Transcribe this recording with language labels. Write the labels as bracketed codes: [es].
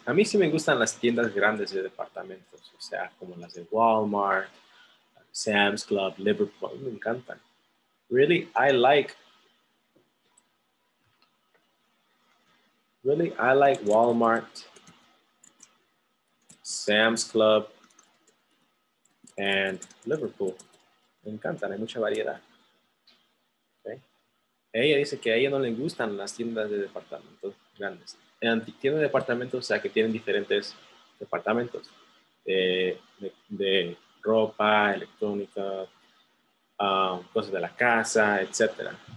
[es] A mí sí me gustan las tiendas grandes de departamentos, o sea, como las de Walmart, Sam's Club, Liverpool, me encantan. [en] Really, I like Walmart, Sam's Club, and Liverpool. [es] Me encantan, hay mucha variedad. Okay. Ella dice que a ella no le gustan las tiendas de departamentos grandes. En tiendas de departamentos, o sea, que tienen diferentes departamentos de ropa, electrónica, cosas de la casa, etc.